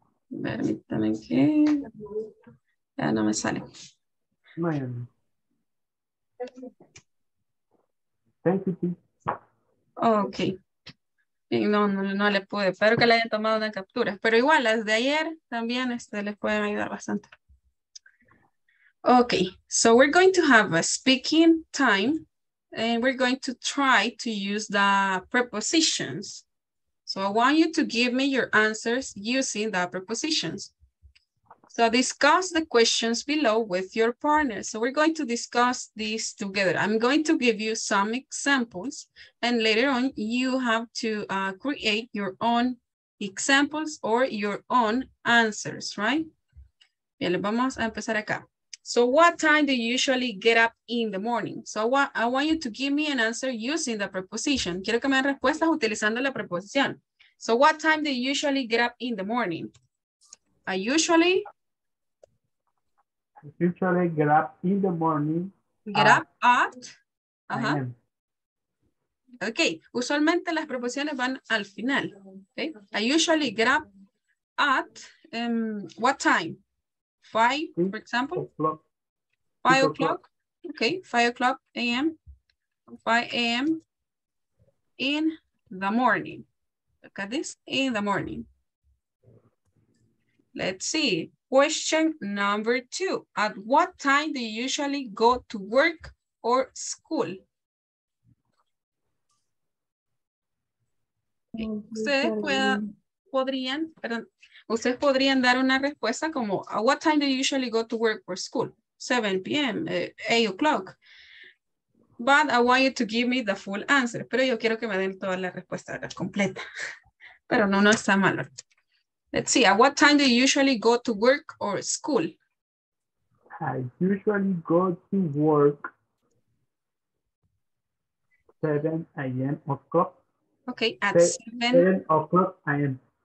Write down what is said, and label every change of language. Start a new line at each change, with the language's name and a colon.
Spanish: Permítanme que. Ya no me sale. Bueno.
English: Thank you. Ok.
Spanish: Y no le pude, espero que le hayan tomado una captura, pero igual las de ayer también les pueden ayudar bastante.
English: Okay, so we're going to have a speaking time and we're going to try to use the prepositions. So I want you to give me your answers using the prepositions. So discuss the questions below with your partner. So we're going to discuss this together. I'm going to give you some examples and later on you have to create your own examples or your own answers, right?
Spanish: Bien, vamos a empezar acá.
English: So what time do you usually get up in the morning? So I want you to give me an answer using the preposition.
Spanish: Quiero que me den respuestas utilizando la preposición.
English: So what time do you usually get up in the morning? I usually get up in the morning. Get up at. Uh-huh. Okay.
Spanish: Usualmente las preposiciones van al final.
English: Okay. I usually get up at what time? 5, for example. O'clock. 5 o'clock. Okay. 5 o'clock a.m. 5 a.m. in the morning. Look at this. In the morning. Let's see. Question number two. At what time do you usually go to work or school?
Spanish: Ustedes podrían dar una respuesta como,
English: at what time do you usually go to work or school? 7 p.m., 8 o'clock. But I want you to give me the full answer.
Spanish: Pero yo quiero que me den toda la respuesta completa. Pero no está mal.
English: Let's see, at what time do you usually go to work or school? I usually go to work 7 a.m. o'clock. Okay, at 7 o'clock a.m.